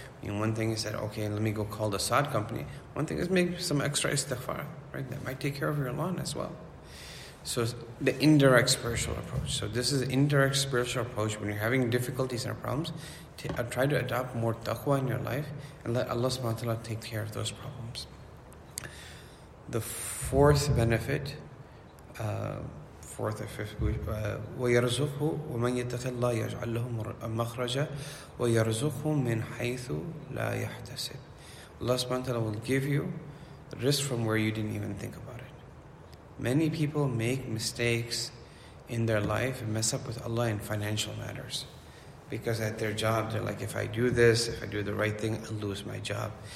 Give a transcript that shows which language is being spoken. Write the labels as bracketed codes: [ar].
[en] And one thing is that, okay, let me go call the sod company. One thing is maybe some extra istighfar, right? That might take care of your lawn as well. So the indirect spiritual approach. So this is indirect spiritual approach. When you're having difficulties and problems, try to adopt more taqwa in your life and let Allah subhanahu wa ta'ala take care of those problems. The fourth benefit, fourth or fifth, [ar] وَيَرْزُقْهُ وَمَنْ يَتَّقِ اللَّهِ يَجْعَلْ لَهُ مَخْرَجًا وَيَرْزُقْهُ مِنْ حَيْثُ لَا يَحْتَسِبْ. [en] Allah subhanahu wa ta'ala will give you risk from where you didn't even think about it. Many people make mistakes in their life and mess up with Allah in financial matters. Because at their job, they're like, if I do this, if I do the right thing, I'll lose my job.